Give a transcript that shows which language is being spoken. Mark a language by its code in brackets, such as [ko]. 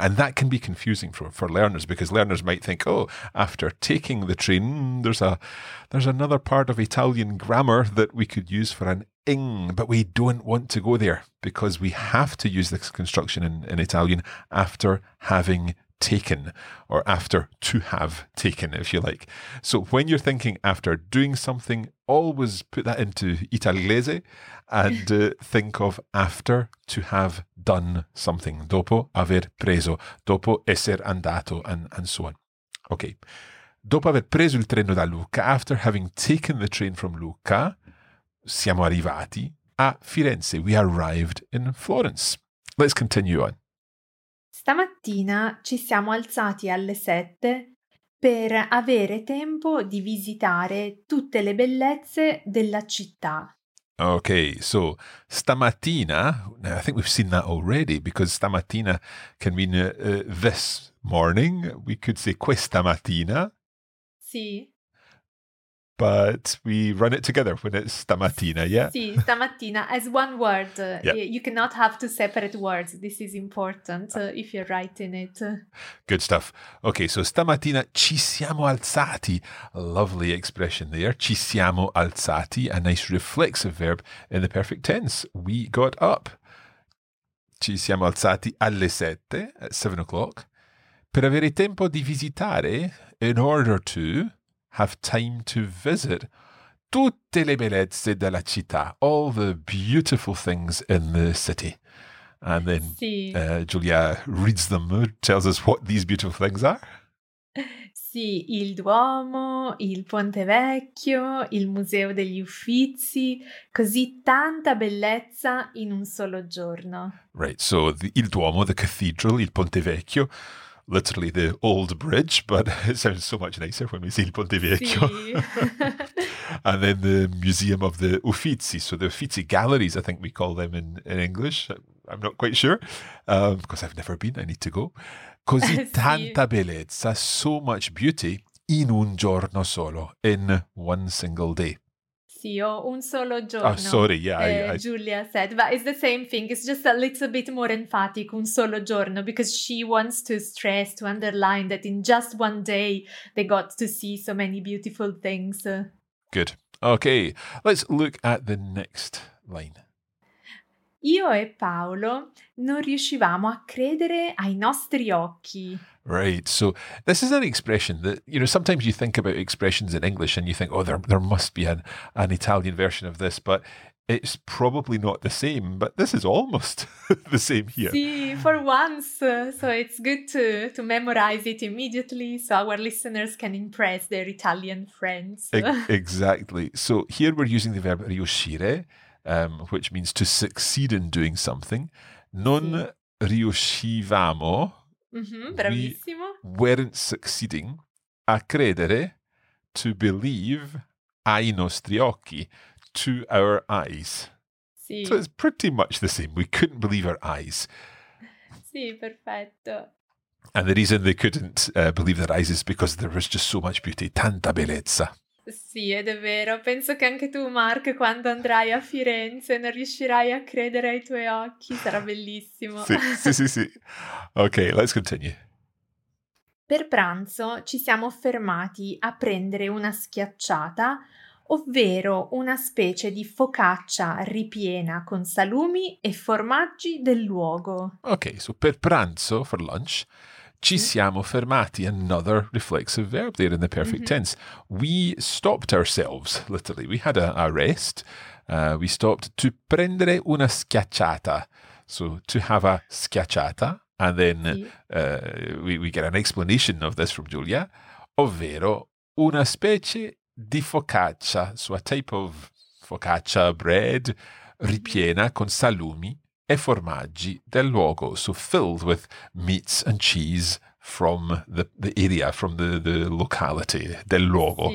[en] And that can be confusing for learners, because learners might think, oh, after taking the train, there's another part of Italian grammar that we could use for an ing, but we don't want to go there because we have to use this construction in Italian after having taken, or after to have taken, if you like. So when you're thinking after doing something, always put that into italese and think of after to have done something. [it] Dopo aver preso, dopo essere andato, and so on. Okay. Dopo aver preso il treno da Lucca, [en] after having taken the train from Lucca, [it] siamo arrivati a Firenze. [en] We arrived in Florence. Let's continue on. [it] Stamattina ci siamo alzati alle 7 per avere tempo di visitare tutte le bellezze della città. [en] Okay, so stamattina, now I think we've seen that already, because stamattina can mean this morning. We could say [it] questa mattina. Sì. [en] But we run it together when it's stamattina, yeah? [it] Sì, stamattina, [en] as one word. Yeah. You cannot have two separate words. This is important if you're writing it. Good stuff. Okay, so [it] stamattina ci siamo alzati. [en] Lovely expression there. [it] Ci siamo alzati, [en] a nice reflexive verb in the perfect tense. We got up. [it] Ci siamo alzati alle 7, [en] at 7 o'clock. [it] Per avere tempo di visitare, [en] in order to have time to visit [it] tutte le bellezze della città, [en] all the beautiful things in the city. And then [it] sì. [en] Giulia reads them, tells us what these beautiful things are. [it] Sì, il Duomo, il Ponte Vecchio, il Museo degli Uffizi, così tanta bellezza in un solo giorno. [en] Right, so il Duomo, the cathedral, il Ponte Vecchio, literally the old bridge, but it sounds so much nicer when we say il Ponte Vecchio. [it] Sì. [en] And then the Museum of the Uffizi. So the Uffizi galleries, I think we call them in English. I'm not quite sure, because I've never been. I need to go. [it] Così tanta bellezza, [en] so much beauty, [it] in un giorno solo, [en] in one single day. [it] Sì, ho un solo giorno. [en] Oh, sorry, yeah. Julia said, but it's the same thing, it's just a little bit more emphatic, [it] un solo giorno, [en] because she wants to stress, to underline that in just one day they got to see so many beautiful things. Good. Okay, let's look at the next line. [it] Io e Paolo non riuscivamo a credere ai nostri occhi. [en] Right, so this is an expression that, you know, sometimes you think about expressions in English and you think, oh, there must be an Italian version of this, but it's probably not the same, but this is almost the same here. [it] Sì, [en] for once, so it's good to memorize it immediately so our listeners can impress their Italian friends. Exactly. So here we're using the verb riuscire, which means to succeed in doing something. [it] Non riuscivamo. Mm-hmm, bravissimo. [en] We weren't succeeding [it] a credere, [en] to believe, [it] ai nostri occhi, [en] to our eyes. [it] Sì. [en] So it's pretty much the same. We couldn't believe our eyes. [it] Sì, perfetto. [en] And the reason they couldn't believe their eyes is because there was just so much beauty, [it] tanta bellezza. Sì, ed è vero. Penso che anche tu, Mark, quando andrai a Firenze non riuscirai a credere ai tuoi occhi. Sarà bellissimo. Sì, sì, sì, sì. [en] Ok, let's continue. [it] Per pranzo ci siamo fermati a prendere una schiacciata, ovvero una specie di focaccia ripiena con salumi e formaggi del luogo. [en] Ok, so [it] per pranzo, [en] for lunch, [it] ci siamo fermati, [en] another reflexive verb there in the perfect tense. We stopped ourselves, literally. We had a rest. We stopped to [it] prendere una schiacciata. [en] So to have a schiacciata. And then we get an explanation of this from Julia. [it] Ovvero una specie di focaccia. [en] So a type of focaccia bread [it] ripiena con salumi e formaggi del luogo, [en] so filled with meats and cheese from the area, from the locality, [it] del luogo.